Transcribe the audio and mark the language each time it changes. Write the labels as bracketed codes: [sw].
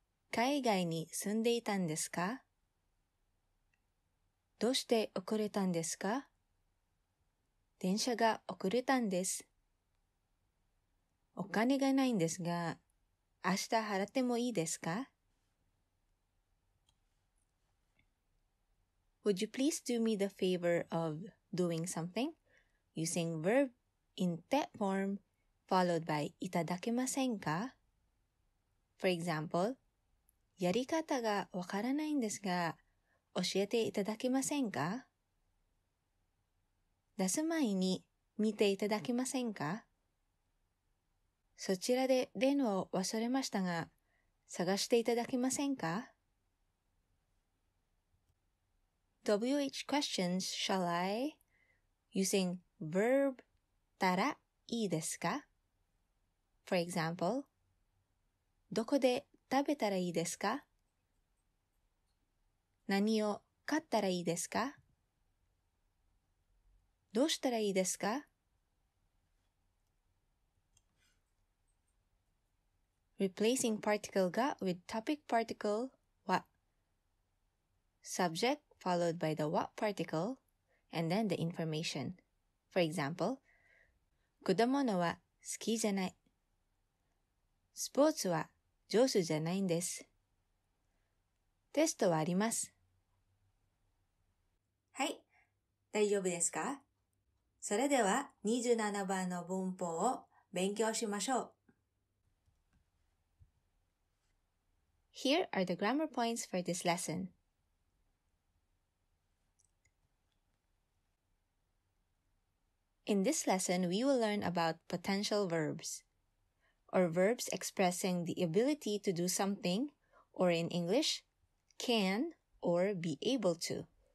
[ja] 海外に住んでいたんですか？どうして遅れたんですか？電車が遅れたんです。お金がないんですが、明日払ってもいいですか？ [en] Would you please do me the favor of doing something using verb in that form followed by いただけませんか？ For example, [ja] やり方がわからないんですが、教えていただけませんか？出す前に見ていただけませんか？そちらで電話を忘れましたが、探していただけませんか？ [en] WH questions shall I? Using verb [ja] たらいいですか？ [en] For example, [ja] どこで食べたらいいですか？何を買ったらいいですか？どうしたらいいですか？ [en] Replacing particle が with topic particle は Subject followed by the what particle and then the information. For example, [ja] 果物は好きじゃない。スポーツは上手じゃないんです。テストはあります。はい、大丈夫ですか？それでは27番の文法を勉強しましょう。 [en] Here are the grammar points for this lesson. 1. In this lesson, we will learn about potential verbs. Or verbs expressing the ability to do something, or in English, can or be able to.